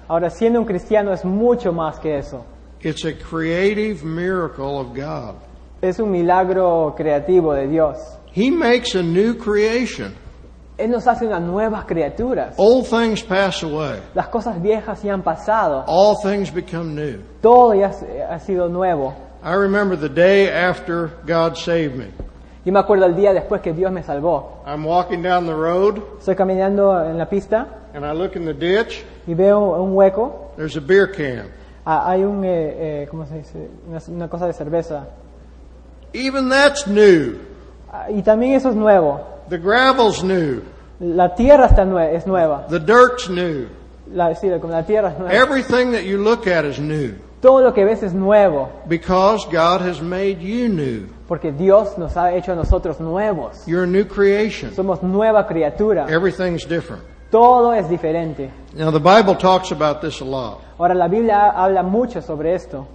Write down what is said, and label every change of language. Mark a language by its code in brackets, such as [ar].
[es] Ahora, siendo un cristiano es mucho más que eso. [en] It's a creative miracle of God. [es] Es un milagro creativo de Dios. [en] He makes a new creation. [es] Él nos hace unas nuevas criaturas. [en] All things pass away. [es] Las cosas viejas ya han pasado. [en] All things become new. [es] Todo ya ha sido nuevo. [en] I remember the day after God saved me. [es] Yo me acuerdo el día después que Dios me salvó. [en] I'm walking down the road. [es] Estoy caminando en la pista. [en] And I look in the ditch. [es] Y veo un hueco. [en] There's a beer can. [es] Hay un, ¿cómo se dice? Una cosa de cerveza. [en] Even that's new. [es] Y también eso es nuevo. [en] The gravel's new. [es] La tierra está es nueva. [en] The dirt's new. [es] La tierra es nueva. [en] Everything that you look at is new. [es] Todo lo que ves es nuevo. [en] Because God has made you new. [es] Porque Dios nos ha hecho a nosotros nuevos. [en] You're a new creation. [es] Somos nueva criatura. [en] Everything's different. [es] Todo es diferente. [en] Now the Bible talks about this a lot. [es] Ahora la Biblia habla mucho sobre esto.